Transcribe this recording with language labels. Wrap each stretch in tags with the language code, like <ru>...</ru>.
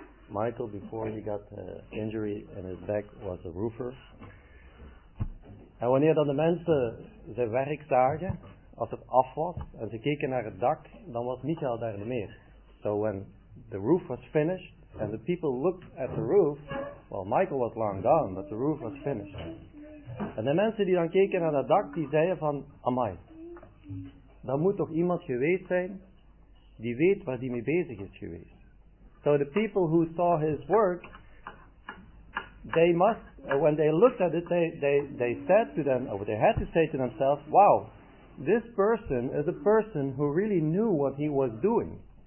<en>Michael, before he got an injury in his back, was a roofer.</en> <nl>En wanneer dan de mensen zijn werk zagen, als het af was, en ze keken naar het dak, dan was Michael daar niet meer.</nl> <en>So when the roof was finished, and the people looked at the roof, well, Michael was long gone, but the roof was finished.</en> <nl>En de mensen die dan keken naar dat dak, die zeiden van, amai, dan moet toch iemand geweest zijn, die weet waar die mee bezig is geweest.</nl> <en>So the people who saw his work, they must, when they looked at it, they said to them, or they had to say to themselves, wow, this person is a person who really knew what he was doing.</en>